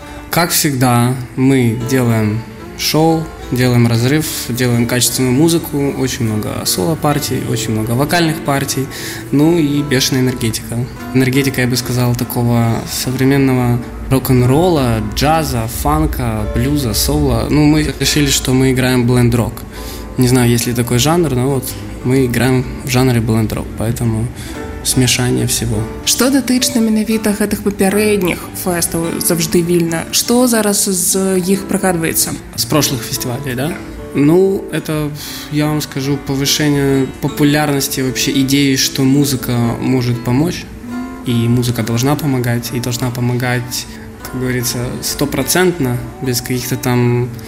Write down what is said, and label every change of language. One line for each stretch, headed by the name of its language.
Russian: Как всегда, мы делаем шоу, делаем разрыв, делаем качественную музыку, очень много соло-партий, очень много вокальных партий, ну и бешеная энергетика. Энергетика, я бы сказал, такого современного рок-н-ролла, джаза, фанка, блюза, соло. Ну, мы решили, что мы играем бленд-рок. Не знаю, есть ли такой жанр, но вот мы играем в жанре бленд-рок, поэтому... смешание всего.
Belarusian: Что дотычно менавіта гэтых папярэдніх фэстаў «Завжды Вільна»? Что зараз з іх прыгадваецца?
Russian: С прошлых фестивалей, да? Ну, это, я вам скажу, повышение популярности вообще идеи, что музыка может помочь, и музыка должна помогать, и должна помогать, как говорится, стопроцентно, без каких-то там...